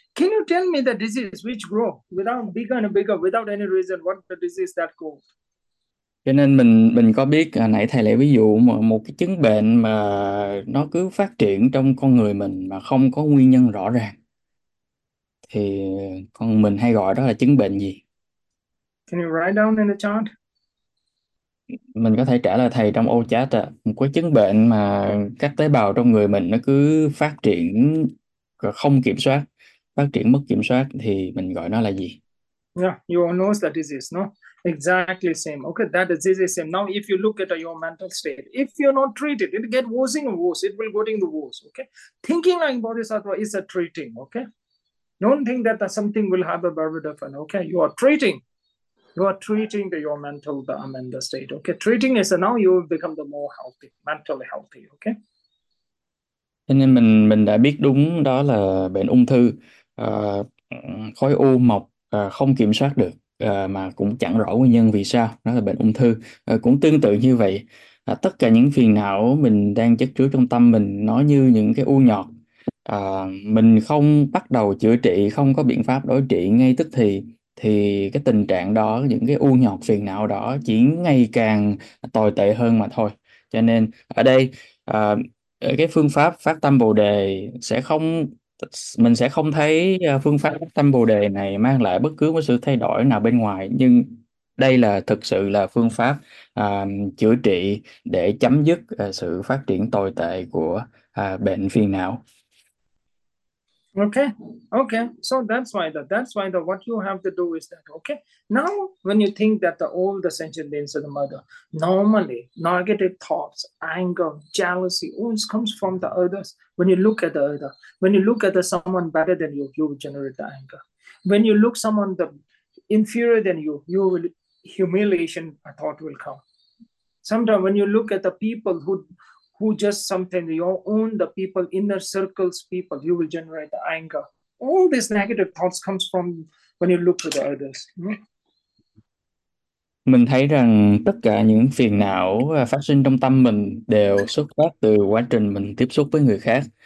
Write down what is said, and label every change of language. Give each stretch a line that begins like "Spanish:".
English: Can you tell me the disease which grow without bigger and bigger without any reason? What the disease that called?
Vietnamese: Cho nên mình có biết nãy thầy lấy ví dụ một cái chứng bệnh mà nó cứ phát triển trong con người mình mà không có nguyên nhân rõ ràng thì con mình hay gọi đó là chứng bệnh gì?
English: Can you write down in the chat?
Vietnamese: Mình có thể trả lời thầy trong ô chat một cái chứng bệnh mà các tế bào trong người mình nó cứ phát triển không kiểm soát, phát triển mất kiểm soát thì mình gọi nó là gì?
English: You all know the disease, no? Exactly same. Okay, that disease is same. Now, if you look at your mental state, if you're not treated, it get worse and worse. It will getting the worse. Okay, thinking like Bodhisattva is a treating. Okay, don't think that something will have a very different. Okay, you are treating the your mental the amended state. Okay, treating is now you will become the more healthy, mentally healthy. Okay.
Vietnamese: Cho nên mình đã biết đúng đó là bệnh ung thư, khối u mọc không kiểm soát được, mà cũng chẳng rõ nguyên nhân vì sao, đó là bệnh ung thư. Cũng tương tự như vậy, tất cả những phiền não mình đang chất chứa trong tâm mình nó như những cái u nhọt, mình không bắt đầu chữa trị, không có biện pháp đối trị ngay tức thì cái tình trạng đó, những cái u nhọt phiền não đó chỉ ngày càng tồi tệ hơn mà thôi. Cho nên ở đây cái phương pháp phát tâm Bồ đề sẽ không mình sẽ không thấy phương pháp phát tâm Bồ đề này mang lại bất cứ một sự thay đổi nào bên ngoài, nhưng đây là thực sự là phương pháp chữa trị để chấm dứt sự phát triển tồi tệ của bệnh phiền não.
English: Okay. So that's why the what you have to do is that. Okay. Now, when you think that all the sentient beings are the mother, normally negative thoughts, anger, jealousy, wounds comes from the others. When you look at the other, when you look at the someone better than you generate the anger. When you look someone the inferior than you will humiliation a thought will come. Sometimes when you look at the people who just something your own the people inner circles people you will generate the anger all these negative thoughts comes from when you look to the others.
Vietnamese: Mình thấy rằng tất cả những phiền não phát sinh trong tâm mình đều xuất phát từ quá trình mình tiếp xúc với người khác.